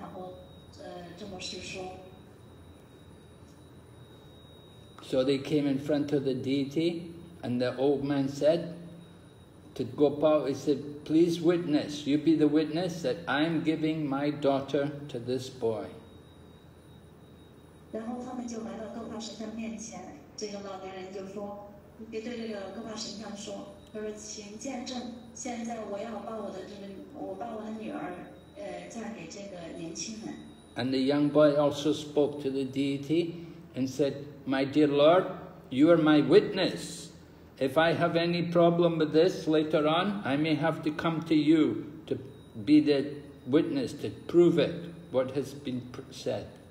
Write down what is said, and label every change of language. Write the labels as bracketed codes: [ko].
[zh] 如果你已经这么决定的话，那好吧，那我们去到勾帕神像的面前，你在勾帕神像面前，然后，这么去说。 [en] So they came in front of the deity, and the old man said to Gopal, he said, please witness, you be the witness that I am giving my daughter to this boy. [zh] 然后他们就来到哥帕神像面前，这个老年人就说，也对这个哥帕神像说，他说请见证，现在我要把我的这个，我把我的女儿，嫁给这个年轻人。 [en] And the young boy also spoke to the deity and said, my dear Lord, you are my witness. If I have any problem with this later on, I may have to come to you to be the witness to prove it, what has been said.